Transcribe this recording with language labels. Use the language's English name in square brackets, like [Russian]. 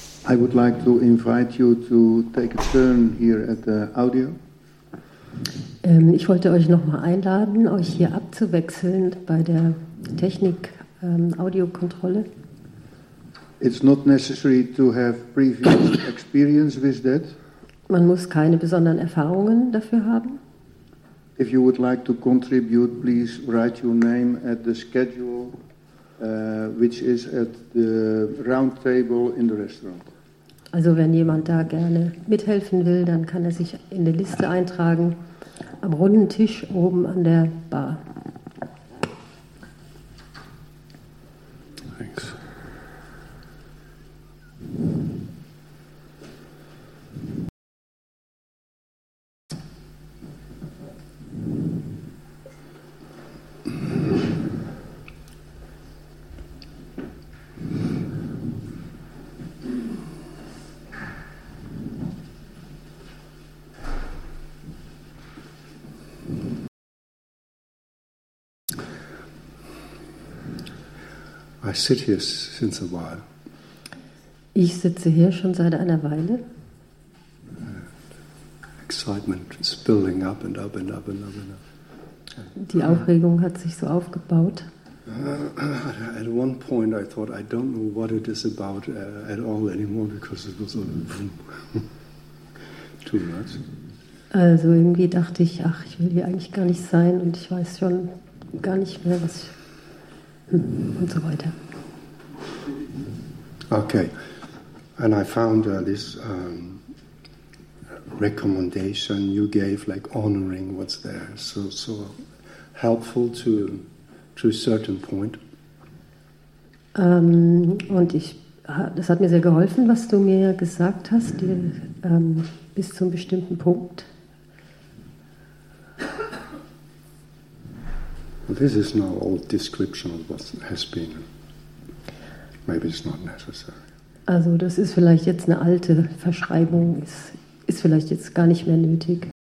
[English] I would like to invite you to take a turn here at the audio. [German] Ich wollte euch nochmal einladen, euch hier abzuwechseln bei der Technik Audiokontrolle. [English] It's not necessary to have previous experience with that. [German] Man muss keine besonderen Erfahrungen dafür haben. [English] If you would like to contribute, please write your name at the schedule, which is at the round table in the restaurant. [German] Also wenn jemand da gerne mithelfen will, dann kann er sich in die Liste eintragen, am runden Tisch oben an der Bar. [English] Thanks. I sit here since a while. [German] Ich sitze hier schon seit einer Weile. [English] Excitement is building up and up and up and up and up. [German] Die Aufregung hat sich so aufgebaut. [English] At one point I thought I don't know what it is about at all anymore because it was all too much. [German] Also irgendwie dachte ich, ach, ich will hier eigentlich gar nicht sein und ich weiß schon gar nicht mehr was. Und so weiter. [English] Okay. And I found this recommendation you gave, like honoring what's there, so helpful to a certain point. [German] Das hat mir sehr geholfen, was du mir gesagt hast, dir bis zu einem bestimmten Punkt. [English] Well, this is now old description of what has been. Maybe it's not necessary. [German] Also, das ist vielleicht jetzt eine alte Verschreibung. Ist vielleicht jetzt gar nicht mehr nötig.